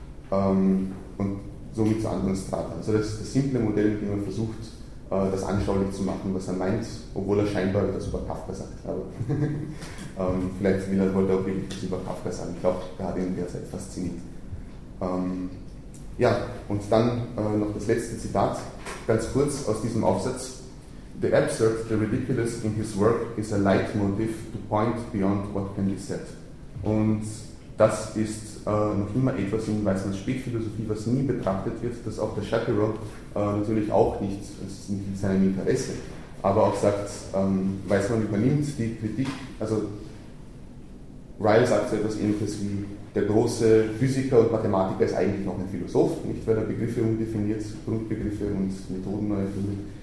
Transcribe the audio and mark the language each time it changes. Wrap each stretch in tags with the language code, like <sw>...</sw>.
<de>Und somit zu anderen Strata. Also das simple Modell, mit dem man versucht, das anschaulich zu machen, was er meint, obwohl er scheinbar das über Kafka sagt. Aber vielleicht will er heute auch wirklich das über Kafka sagen. Ich glaube, da hat ihn derzeit fasziniert. Ja, und dann noch das letzte Zitat, ganz kurz aus diesem Aufsatz.</de> <en>The absurd, the ridiculous in his work is a leitmotiv to point beyond what can be said.</en> <de>Und das ist noch immer etwas in Weismanns Spätphilosophie, was nie betrachtet wird, das auch der Shapiro natürlich auch nicht, es ist nicht in seinem Interesse, aber auch sagt, Weismann übernimmt die Kritik, also Ryle sagt so etwas Ähnliches wie, der große Physiker und Mathematiker ist eigentlich noch ein Philosoph, nicht weil er Begriffe umdefiniert, Grundbegriffe und Methoden neu findet.</de>